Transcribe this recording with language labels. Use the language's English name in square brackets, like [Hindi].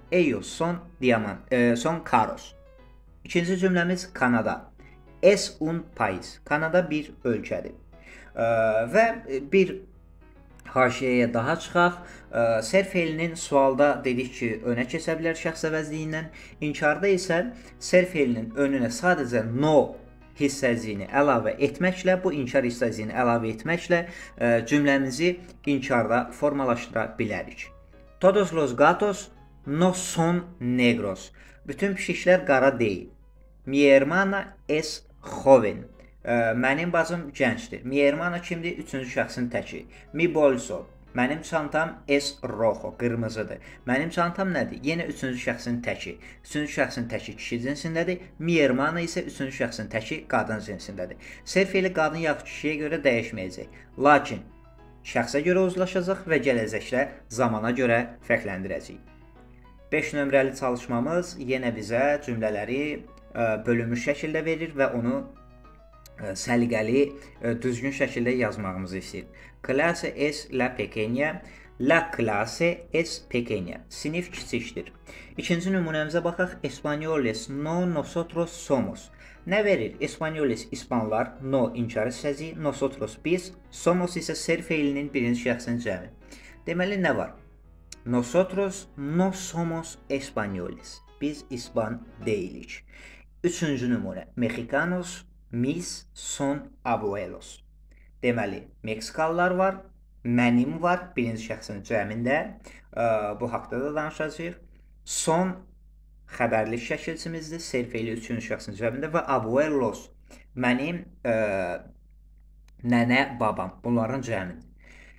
[Spanish] Ellos son diamant, son caros. [Azerbaijani] İkinci cümləmiz Kanada. [Spanish] Es un país. [Azerbaijani] Kanada bir ölkədir. Və bir haşiyəyə daha çıxaq. Serf fe'linin sualda dedik ki, önə keçə bilər şəxs əvəzliyindən. İnkarda isə serf fe'linin önünə sadəcə no hissəciyini əlavə etməklə, bu inkar hissəciyini əlavə etməklə cümləmizi inkarda formalaşdıra bilərik. [Spanish] Todos los gatos no son negros. [Azerbaijani] Bütün pişiklər qara deyil. [Spanish] Mi hermana es joven. [Azerbaijani] Mənim bacım gəncdir. Mi hermana kimdir? Üçüncü şəxsin təki. [Spanish] Mi bolso. [Azerbaijani] Mənim çantam [Spanish] es rojo. [Azerbaijani] Qırmızıdır. Mənim çantam nədir? Yenə üçüncü şəxsin təki. Üçüncü şəxsin təki kişi cinsindədir. Mi hermana isə üçüncü şəxsin təki qadın cinsindədir. Serf fe'li qadın yaxud kişiyə görə dəyişməyəcək. Lakin şəxsə görə uzlaşacaq və gələcəkdə zamana görə fərqləndirəcək. 5 nömrəli çalışmamız yenə bizə cümlələri bölünmüş şəkildə verir və onu səliqəli, düzgün şəkildə yazmağımızı istəyir. [Spanish] Clase es la pequeña. La clase es pequeña. [Azerbaijani] Sinif kiçikdir. İkinci nümunəmizə baxaq. [Spanish] Españoles no nosotros somos. [Azerbaijani] Nə verir? Españoles ispanlar, no inkar hissəsi, nosotros biz, somos isə ser feilinin birinci şəxsin cəmi. Deməli nə var? [Spanish] Nosotros no somos españoles. [Azerbaijani] Biz ispan deyilik. Üçüncü nümunə. [Spanish] Mexicanos, mis son abuelos. [Azerbaijani] Deməli, Meksikalılar var, mənim var, birinci şəxsin cəmində. Bu haqda da danışacaq. Son xəbərlik şəkilçimizdir, serfeyli üçüncü şəxsin cəmində. Və abuelos, mənim nənə, babam, bunların cəmindir.